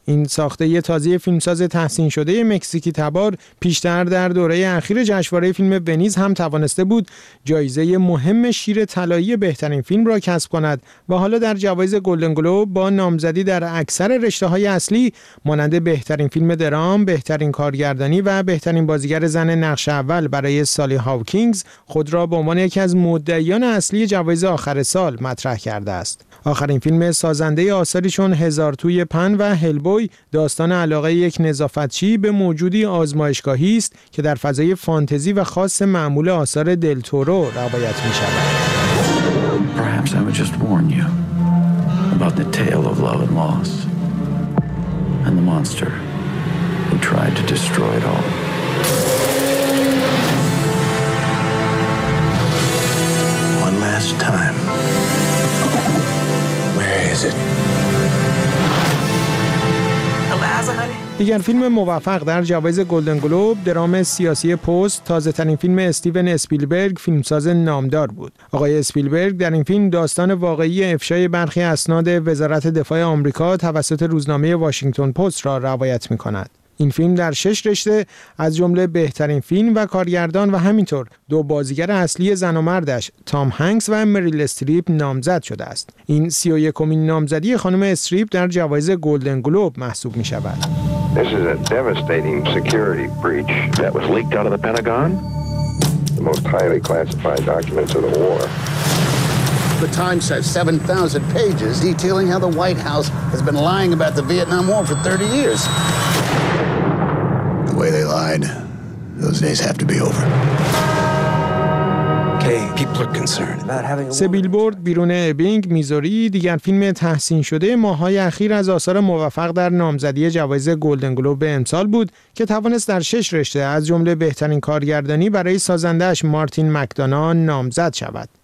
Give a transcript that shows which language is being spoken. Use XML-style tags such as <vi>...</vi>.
<fa>این ساخته تازه فیلمساز تحسین شده مکزیکی تبار پیشتر در دوره اخیر جشنواره فیلم ونیز هم توانسته بود جایزه مهم شیر طلایی بهترین فیلم را کسب کند و حالا در جوایز گلدن گلوب با نامزدی در اکثر رشته‌های اصلی مانند بهترین فیلم درام، بهترین کارگردانی و بهترین بازیگر زن نقش اول برای سالی هاوکینگز خود را به عنوان یکی از مدعیان اصلی جوایز آخر سال مطرح کرده است. آخرین فیلم سازنده آثاری چون هزار توی پن و هلبوی داستان علاقه یک نظافتچی به موجودی آزمایشگاهی است که در فضای فانتزی و خاص معمول آثار دلتورو روایت می شود.</fa> <en>Perhaps I would just warn you about the tale of love and loss and the monster who tried to destroy it all. One last time.</en> <fa>دیگر فیلم موفق در جوایز گلدن گلوب درام سیاسی پست تازه ترین فیلم استیون اسپیلبرگ فیلمساز نامدار بود. آقای اسپیلبرگ در این فیلم داستان واقعی افشای برخی اسناد وزارت دفاع آمریکا توسط روزنامه واشنگتن پست را روایت می کند. این فیلم در 6 رشته از جمله بهترین فیلم و کارگردان و همینطور دو بازیگر اصلی زن و مردش تام هنگس و مریل استریپ نامزد شده است. این 31مین نامزدی خانم استریپ در جوایز گلدن گلوب محسوب می شود.</fa> <en>This is a devastating security breach that was leaked out of the Pentagon. The most highly classified documents of the war. The Times says 7,000 pages detailing how the White House has been lying about the Vietnam War for 30 years. The way they lied, those days have to be over.</en> <fa>سه بیلبورد بیرون ابینگ میزوری دیگر فیلم تحسین شده ماهای اخیر از آثار موفق در نامزدی جوایز گلدن گلوب امسال بود که توانست در 6 رشته از جمله بهترین کارگردانی برای سازندهش مارتین مکدانا نامزد شود.</fa>